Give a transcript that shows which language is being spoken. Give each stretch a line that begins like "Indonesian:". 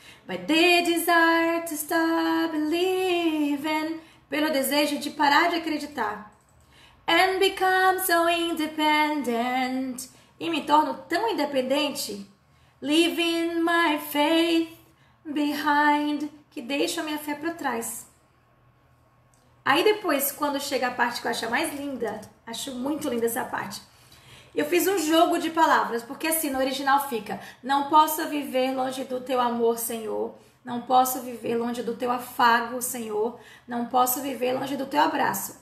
English: By the desire to stop believing.
Portuguese: Pelo desejo de parar de acreditar.
English: And become so independent.
Portuguese: E me torno tão independente.
English: Leaving my faith behind.
Portuguese: Que deixo a minha fé para trás. Aí depois, quando chega a parte que eu acho a mais linda, acho muito linda essa parte, eu fiz um jogo de palavras, porque assim, no original fica: Não posso viver longe do teu amor, Senhor. Não posso viver longe do teu afago, Senhor. Não posso viver longe do teu abraço.